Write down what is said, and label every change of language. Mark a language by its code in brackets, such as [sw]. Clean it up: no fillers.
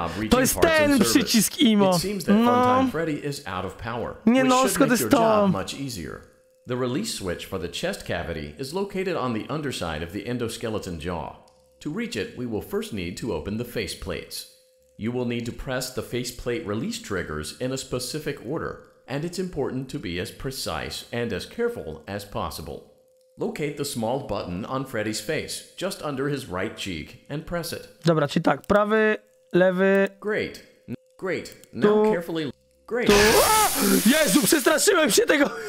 [pl] To jest ten przycisk, Imo. No. Nie no, skąd jest to? [en] The release switch for the chest cavity is located on the underside of the endoskeleton jaw. To reach it, we will first need to open the face plates. You will need to press the face plate release triggers in a specific order, and it's important to be as precise and as careful as possible. Locate the small button on Freddy's face, just under his right cheek, and press it. [pl] Dobra, czy tak, prawy, lewy... [en] Great. Great. Now carefully... Great. [pl] Jezu, przestraszyłem się tego!